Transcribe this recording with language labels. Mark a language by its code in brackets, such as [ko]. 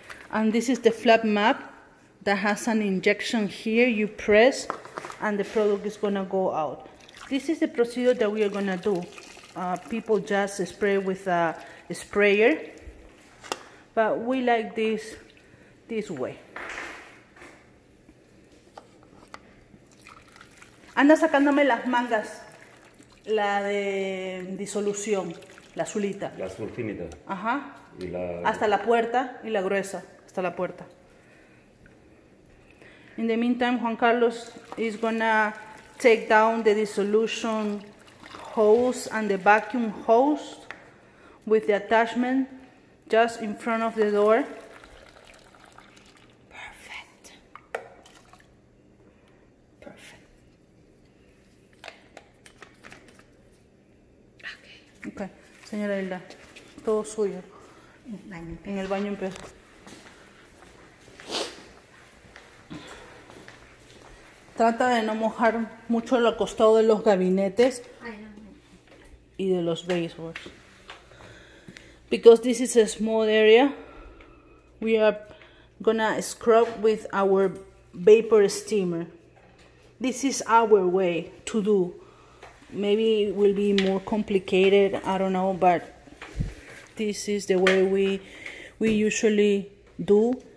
[en] And this is the flat map that has an injection here. You press and the product is gonna go out. This is the procedure that we are gonna do. People just spray with a sprayer, but we like this way. [es] Anda sacándome las mangas, la de disolución, la azulita. La sulfinita. Ajá. Y la... Hasta la puerta y la gruesa, hasta la puerta. [en] In the meantime, Juan Carlos is gonna take down the dissolution hose and the vacuum hose with the attachment just in front of the door. Perfect. Perfect. Okay. [es] Okay. Señora Hilda, todo suyo. En el baño empezó. Trata de no mojar mucho el costado de los gabinetes y de los baseboards. [en] Because this is a small area, we are gonna scrub with our vapor steamer. This is our way to do. Maybe it will be more complicated, I don't know, but this is the way we usually do.